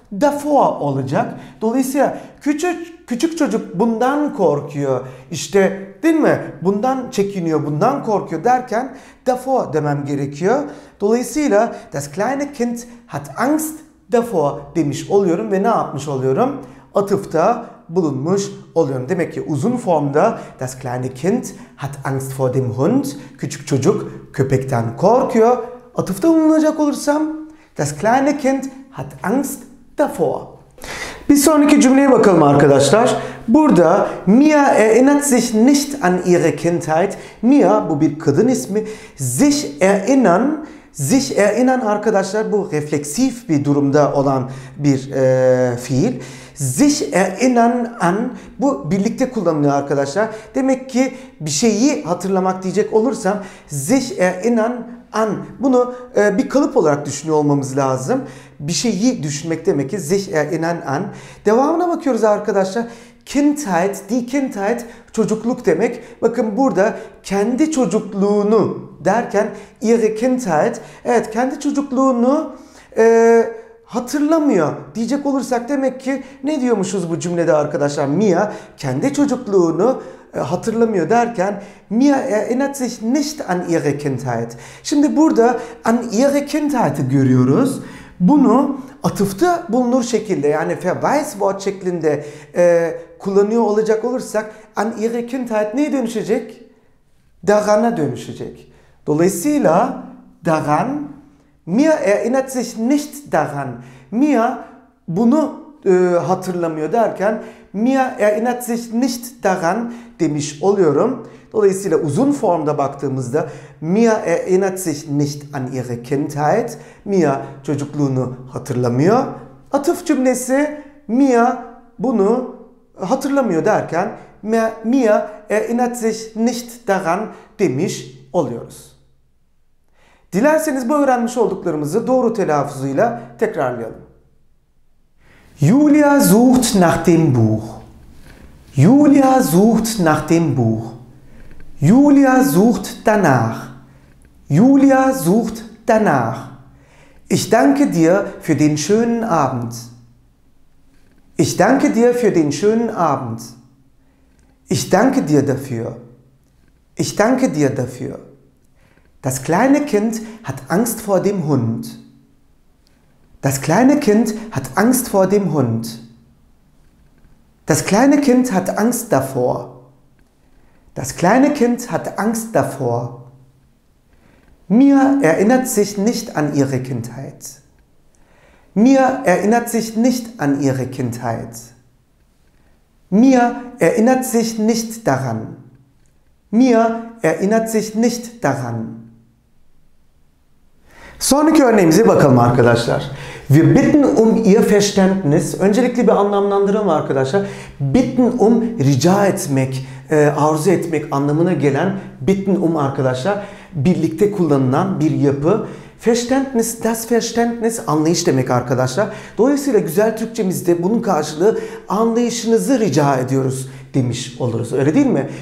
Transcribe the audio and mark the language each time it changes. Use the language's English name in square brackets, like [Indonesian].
[Turkish] Davor olacak. Dolayısıyla küçük çocuk bundan korkuyor. İşte değil mi? Bundan çekiniyor, bundan korkuyor derken davor demem gerekiyor. Dolayısıyla [German] das kleine Kind hat Angst davor [Turkish] demiş oluyorum ve ne yapmış oluyorum? Atıfta bulunmuş oluyorum. Demek ki uzun formda [German] das kleine Kind hat Angst vor dem Hund. [Turkish] Küçük çocuk köpekten korkuyor. Atıfta bulunacak olursam [German] das kleine Kind hat Angst davor. [Turkish] Bir sonraki cümleye bakalım arkadaşlar. Burada [German] Mia erinnert sich nicht an ihre Kindheit. [Turkish] Mia bu bir kadın ismi. Sich erinnern arkadaşlar bu refleksif bir durumda olan bir fiil. Sich erinnern an bu birlikte kullanılıyor arkadaşlar. Demek ki bir şeyi hatırlamak diyecek olursam sich erinnern an bunu bir kalıp olarak düşünüyor olmamız lazım. Bir şeyi düşünmek demek ki sich erinnern an. Devamına bakıyoruz arkadaşlar. Kindheit, die Kindheit çocukluk demek. Bakın burada kendi çocukluğunu derken [German] ihre Kindheit, [Turkish] evet kendi çocukluğunu hatırlamıyor diyecek olursak demek ki ne diyormuşuz bu cümlede arkadaşlar? [German] Mia [Turkish] kendi çocukluğunu hatırlamıyor derken [German] Mia erinnert sich nicht an ihre Kindheit. [Turkish] Şimdi burada an ihre Kindheit'i görüyoruz. Bunu atıfta bulunur şekilde yani verweiswort şeklinde kullanıyor olacak olursak [German] an ihre Kindheit [Turkish] neye dönüşecek? Daran'a dönüşecek. Dolayısıyla [German] daran Mia erinnert sich nicht daran. [Turkish] Mia bunu hatırlamıyor derken [German] Mia erinnert sich nicht daran [Turkish] demiş oluyorum. Dolayısıyla uzun formda baktığımızda [German] Mia erinnert sich nicht an ihre Kindheit. [Turkish] Mia çocukluğunu hatırlamıyor. Atıf cümlesi Mia bunu hatırlamıyor derken [German] Mia erinnert sich nicht daran [Turkish] demiş oluyoruz. Dilerseniz bu öğrenmiş olduklarımızı doğru telaffuzuyla tekrarlayalım. [German] Julia sucht nach dem Buch. Julia sucht nach dem Buch. Julia sucht danach. Julia sucht danach. Ich danke dir für den schönen Abend. Ich danke dir für den schönen Abend. Ich danke dir dafür. Ich danke dir dafür. Das kleine Kind hat Angst vor dem Hund. Das kleine Kind hat Angst vor dem Hund. Das kleine Kind hat Angst davor. Das kleine Kind hat Angst davor. Mia erinnert sich nicht an ihre Kindheit. Mia erinnert sich nicht an ihre Kindheit. Mia erinnert sich nicht daran. Mia erinnert sich nicht daran. [Turkish] Sonraki örneğimize bakalım arkadaşlar. [German] Wir bitten um ihr Verständnis. [Turkish] Öncelikle bir anlamlandıralım arkadaşlar. Bitten um rica etmek, arzu etmek anlamına gelen bitten um arkadaşlar. Birlikte kullanılan bir yapı. Verständnis, das Verständnis anlayış demek arkadaşlar. Dolayısıyla güzel Türkçemizde bunun karşılığı anlayışınızı rica ediyoruz demiş oluruz. Öyle değil mi?